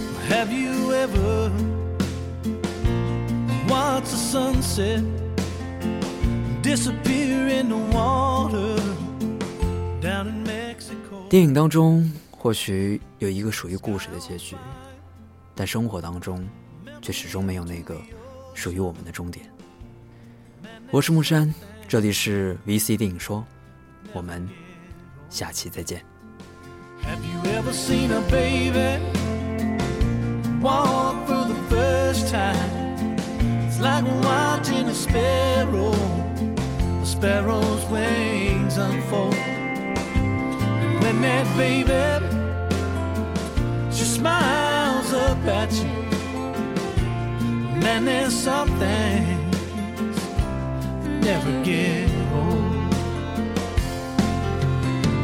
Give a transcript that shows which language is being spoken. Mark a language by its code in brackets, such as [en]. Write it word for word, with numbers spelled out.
[en] Have you ever watched the sunset disappear in the water down in Mexico？ [zh] 电影当中或许有一个属于故事的结局，但生活当中却始终没有那个属于我们的终点。我是木山，这里是 V C 电影说，我们下期再见。 [en] Have you ever seen a baby walk for the first time? It's like watching a sparrow, the sparrow's wings unfold. And when that baby, she smiles up at you, and then there's some things that never get old.